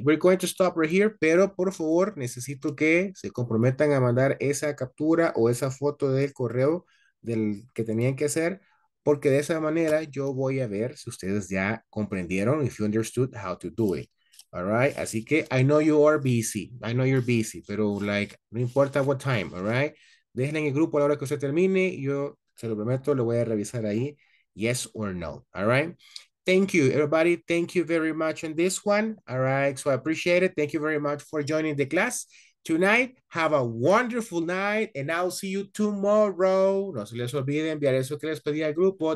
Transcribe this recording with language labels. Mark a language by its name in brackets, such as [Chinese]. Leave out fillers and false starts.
[English] We're going to stop right here, [Spanish] pero por favor, necesito que se comprometan a mandar esa captura o esa foto del correo del que tenían que hacer, porque de esa manera yo voy a ver si ustedes ya comprendieron, [English] if you understood how to do it. [Spanish] All right? Así que [English] I know you are busy. I know you're busy, pero like, [Spanish] no importa [English] what time, all right? [Spanish] Déjenle en el grupo a la hora que usted termine, yo se lo prometo, lo voy a revisar ahí, [English] yes or no, all right? Thank you, everybody. Thank you very much on this one. All right. So I appreciate it. Thank you very much for joining the class tonight. Have a wonderful night and I'll see you tomorrow. [Spanish] No se les olvide enviar eso que les pedí al grupo.